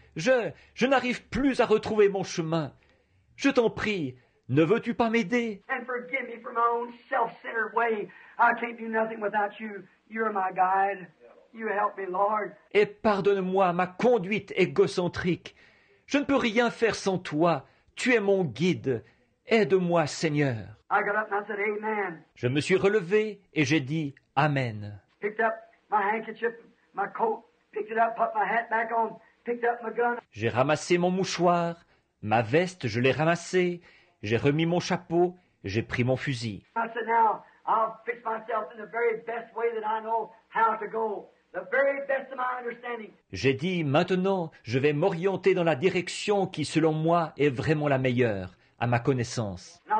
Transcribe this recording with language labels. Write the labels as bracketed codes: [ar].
[fr] Je n'arrive plus à retrouver mon chemin. Je t'en prie, ne veux-tu pas m'aider? [en] And forgive me for my own self-centered way. I can't do nothing without you. You're my guide. You help me, Lord. [fr] Et pardonne-moi ma conduite égocentrique. Je ne peux rien faire sans toi. Tu es mon guide. Aide-moi, Seigneur. [en] I got up and I said, Amen. [fr] Je me suis relevé et j'ai dit Amen. [en] Picked up my handkerchief, my coat, picked it up, put my hat back on, picked up my gun. [fr] J'ai ramassé mon mouchoir, ma veste, je l'ai ramassée, j'ai remis mon chapeau, j'ai pris mon fusil. [en] I said, now, I'll fix myself in the very best way that I know how to go. The very best of my understanding. [fr] J'ai dit, maintenant, je vais m'orienter dans la direction qui, selon moi, est vraiment la meilleure, à ma connaissance.